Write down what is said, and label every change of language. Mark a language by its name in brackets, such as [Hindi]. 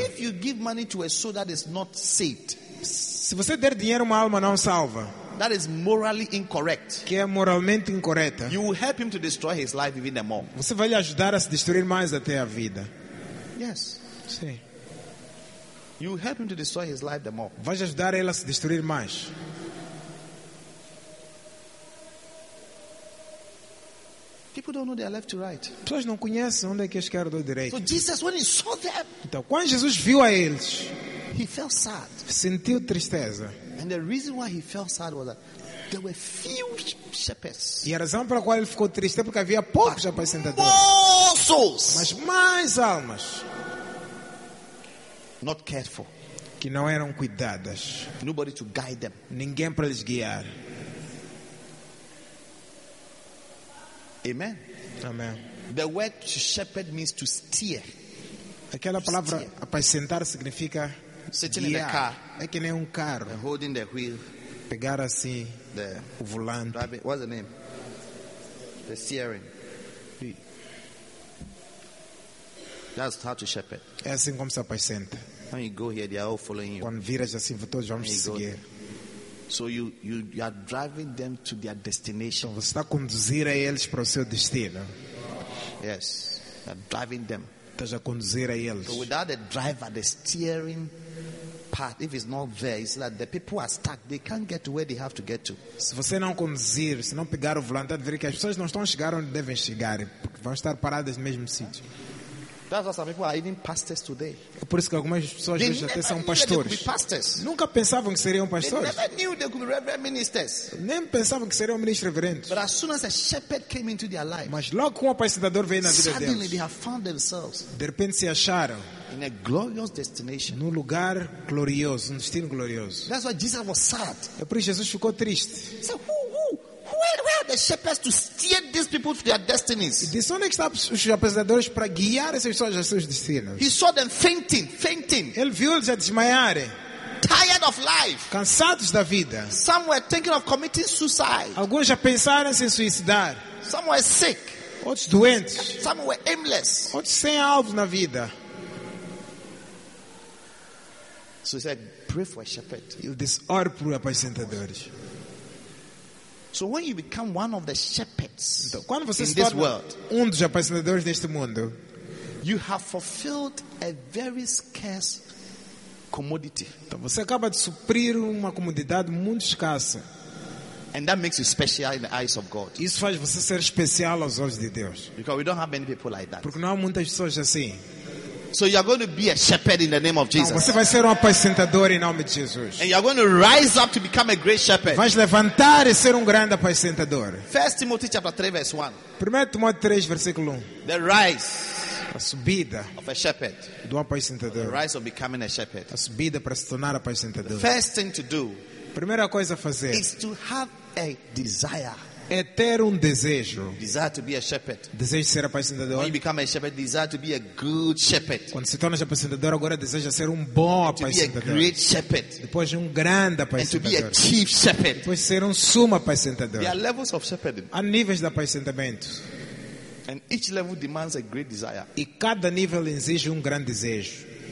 [English] If you give money to a soul that is not saved, [Portuguese] se você der dinheiro a uma alma não salva, [English] that is morally incorrect. [Portuguese] Que é moralmente incorreta. [English] You will help him to destroy his life even more. [Portuguese] Você vai lhe ajudar a se destruir mais até a vida. [English] Yes. [Portuguese] Sim. [English] You help him to destroy his life the more. [Portuguese] Vai ajudar ele a se destruir mais. [English] People don't know their left to right. [Portuguese] Pessoas não conhecem onde é que é esquerda ou direita. [English] So Jesus, when he saw them, [Portuguese] então, quando Jesus viu a eles, [English] he felt sad. [Portuguese] Sentiu tristeza. [English] And the reason why he felt sad was that there were few shepherds. [Portuguese] E a razão pela qual ele ficou triste é porque havia poucos apacentadores. Mas mais almas. [English] Not cared for. [Portuguese] Que não eram cuidadas. [English] Nobody to guide them. [Portuguese] Ninguém para lhes guiar. [English] Amen. [Portuguese] Amen. [English] The word to shepherd means to steer. [Portuguese] Aquela palavra apacentar significa [English] sitting [Portuguese] guiar. [English] In the car. [Portuguese] É que nem carro. [English] And holding the wheel. [Portuguese] Pegar assim o volante. [English] Driving. What's the name? The steering. That's how to shepherd. [Portuguese] É assim como se apacenta. [English] When you go here, they are all following you. [Portuguese] Quando viras assim, todos vamos seguir. [English] So you are driving them to their destination. [Portuguese] Então, você está a conduzir a eles para o seu destino. [English] Yes, you are driving them. [Portuguese] Estás a conduzir a eles. [English] So without the driver, the steering part, if it's not there, it's like the people are stuck. They can't get to where they have to get to. [Portuguese] Se você não conduzir, se não pegar o volante, vai ver que as pessoas não estão a chegar onde devem chegar, porque vão estar paradas no mesmo sítio. [English] That's why some people are even pastors today. [Portuguese] É por isso que algumas pessoas [English] they [Portuguese] hoje até são pastores. [English] They could be pastors. [Portuguese] Nunca pensavam que seriam pastores. [English] They never knew they could be reverend ministers. [Portuguese] Nem pensavam que seriam ministros reverentes. [English] But as soon as a shepherd came into their life, [Portuguese] mas logo um apacentador veio na vida deles, [English] suddenly they have found themselves. [Portuguese] De repente se acharam [English] in a glorious destination. [Portuguese] Num lugar glorioso, num destino glorioso. [English] That's why Jesus was sad. [Portuguese] É por isso que Jesus ficou triste. [English] So, where are the shepherds to steer these people to their destinies? [Portuguese] E disse, onde estão os apacentadores para guiar essas pessoas a seus destinos? [English] He saw them fainting. [Portuguese] Ele viu-os a desmaiar. [English] Tired of life. [Portuguese] Cansados da vida. [English] Some were thinking of committing suicide. [Portuguese] Alguns já pensaram em se suicidar. [English] Some were sick. [Portuguese] Outros doentes. [English] Some were aimless. [Portuguese] Outros sem alvo na vida. [English] So he said, pray for a shepherd. [Portuguese] Ele disse, ore por apacentadores. [English] So when you become one of the shepherds, [Portuguese] então, quando você [English] in this world, [Portuguese] dos apacentadores deste mundo, [English] you have fulfilled a very scarce commodity. [Portuguese] Então, você acaba de suprir uma comodidade muito escassa. [English] And that makes you special in the eyes of God. [Portuguese] Isso faz você ser especial aos olhos de Deus. [English] Because we don't have many people like that. [Portuguese] Porque não há muitas pessoas assim. [English] So you are going to be a shepherd in the name of Jesus. [Portuguese] Não, você vai ser um apacentador em nome de Jesus. [English] And you are going to rise up to become a great shepherd. [Portuguese] Vai levantar e ser um grande apacentador. [English] 1 Timothy chapter 3 verse 1. [Portuguese] 1 Timóteo 3 versículo 1. [English] The rise, [Portuguese] a subida, [English] of a shepherd, [Portuguese] do apacentador. [English] The rise of becoming a shepherd. [Portuguese] A subida para se tornar apacentador. [English] The first thing to do, [Portuguese] primeira coisa a fazer, [English] is to have a desire, [Portuguese] é ter um desejo. [English] Desire to be a shepherd. [Portuguese] Desejo ser apacentador. [English] When you become a shepherd, desire to be a good shepherd. [Portuguese] Quando se torna apacentador, agora deseja ser um bom apacentador. [English] To be a great shepherd. [Portuguese] Depois um grande apacentador. [English] And to be a chief shepherd. [Portuguese] Depois ser um sumo apacentador. [English] There are levels of shepherding. [Portuguese] Há níveis de apacentamento. [English] And each level demands a great desire. [Portuguese] E cada nível exige grande desejo.